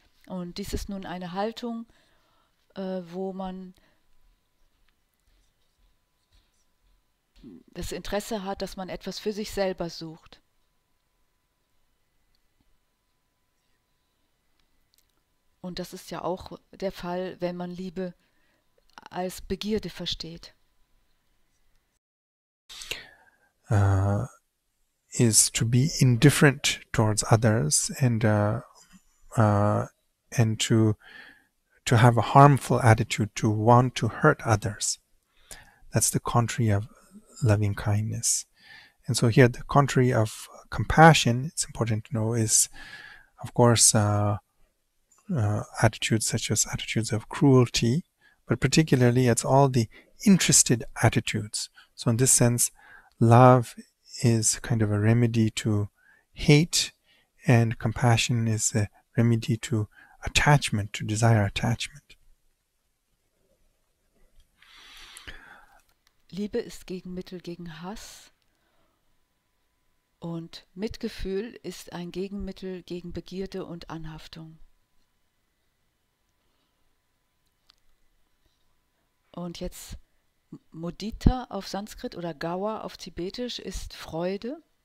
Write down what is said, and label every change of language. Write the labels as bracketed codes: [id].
[de] Und dies ist nun eine Haltung, wo man das Interesse hat, dass man etwas für sich selber sucht. Und das ist ja auch der Fall, wenn man Liebe als Begierde versteht. [en] Is to be indifferent towards others and and to have a harmful attitude, to want to hurt others. That's the contrary of loving kindness. And so here the contrary of compassion, it's important to know, is of course attitudes such as attitudes of cruelty, but particularly it's all the interested attitudes. So in this sense, love is kind of a remedy to hate, and compassion is a remedy to attachment, to desire attachment. [de] Liebe ist Gegenmittel gegen Hass und Mitgefühl ist ein Gegenmittel gegen Begierde und Anhaftung. Und jetzt Mudita auf Sanskrit oder Gaua auf Tibetisch ist Freude.